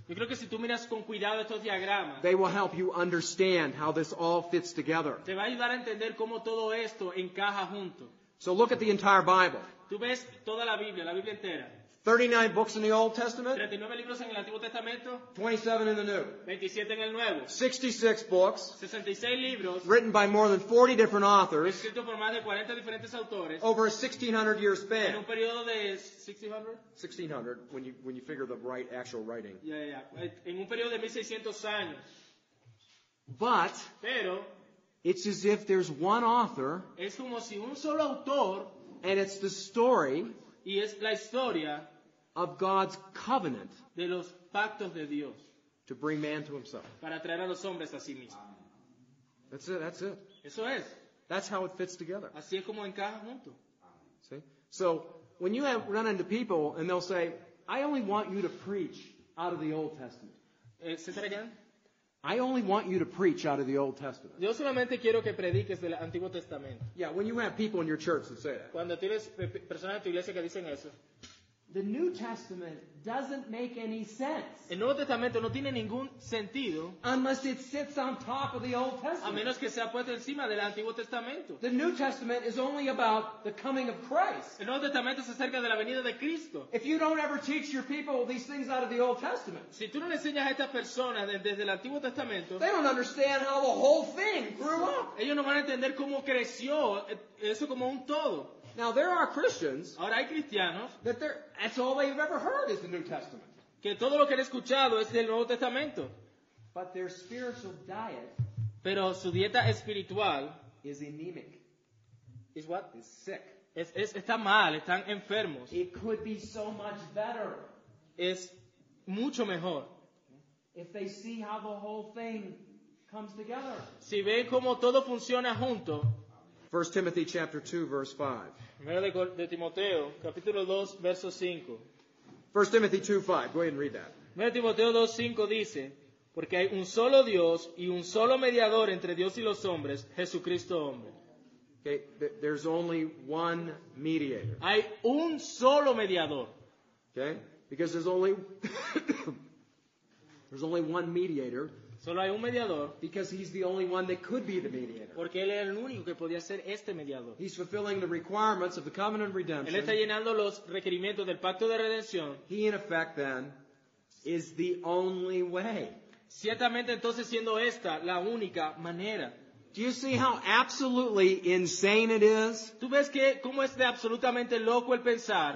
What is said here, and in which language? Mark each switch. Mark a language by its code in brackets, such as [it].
[es] Yo creo que si tú miras con cuidado estos diagramas, [en] they will help you understand how this all fits together. [es] Te va a ayudar a entender cómo todo esto encaja junto. [en] So look at the entire Bible. [es] Tú ves toda la Biblia entera. [en] 39 books in the Old Testament. [es] 39 libros en el Antiguo Testamento. [en] 27 in the New. [es] 27 en el Nuevo. [en] 66 books. [es] 66 libros. [en] Written by more than 40 different authors. [es] Escrito por más de 40 diferentes autores. [en] Over a 1600 year span. [es] En un periodo de 1600 [en] when you figure the right actual writing. [es] Yeah. En un periodo de 1600 años. [en] But [es] pero [en] it's as if there's one author. [es] Es como si un solo autor. [en] And it's the story. [es] Y es la historia [en] of God's covenant, [es] de los pactos de Dios, [en] to bring man to himself. [es] Para traer a los hombres a sí mismo. [en] That's it. [es] Eso es. [en] That's how it fits together. [es] Así es como encaja junto. [en] See? So when you have run into people and they'll say, I only want you to preach out of the Old Testament. I only want you to preach out of the Old Testament. [es] Yo solamente quiero que prediques del Antiguo Testamento. [en] Yeah, when you have people in your church that say that. [es] Cuando tienes personas en tu iglesia que dicen eso. [en] The New Testament doesn't make any sense. [es] El Nuevo Testamento no tiene ningún sentido. [en] Unless it sits on top of the Old Testament. [es] A menos que sea puesto encima del Antiguo Testamento. [en] The New Testament is only about the coming of Christ. [es] El Nuevo Testamento es acerca de la venida de Cristo. [en] If you don't ever teach your people these things out of the Old Testament, [es] si tú no le enseñas a estas personas desde el Antiguo Testamento, [en] they don't understand how the whole thing grew up. [es] Ellos no van a entender cómo creció eso como un todo. [en] Now there are Christians. [es] Ahora hay cristianos. [en] That's all they've ever heard is the New Testament. [es] Que todo lo que han escuchado es del Nuevo Testamento. [en] But their spiritual diet. [es] Pero su dieta espiritual. [en] Is anemic. Is what? Is sick. [es] Está mal. Están enfermos. [en] It could be so much better. [es] Es mucho mejor. [en] If they see how the whole thing comes together. [es] Si ven cómo todo funciona junto. [en] 1 Timothy chapter 2, verse 5. [es] 1 de Timoteo, capítulo 2, verso 5. [en] 1 Timothy 2, 5. Go ahead and read that. [es] 1 Timoteo 2, 5 dice, porque hay un solo Dios y un solo mediador entre Dios y los hombres, Jesucristo hombre. [en] Okay, there's only one mediator. [es] Hay un solo mediador. [en] Okay, because there's only one mediator. [es] Solo hay un mediador. [en] Because he's the only one that could be the mediator. [es] Porque él era el único que podía ser este mediador. [en] He's fulfilling the requirements of the covenant of redemption. [es] Él está llenando los requerimientos del pacto de redención. [en] He, in effect, then, is the only way. [es] Ciertamente, entonces, siendo esta la única manera. [en] Do you see how absolutely insane it is? [es] ¿Tú ves que cómo es de absolutamente loco el pensar?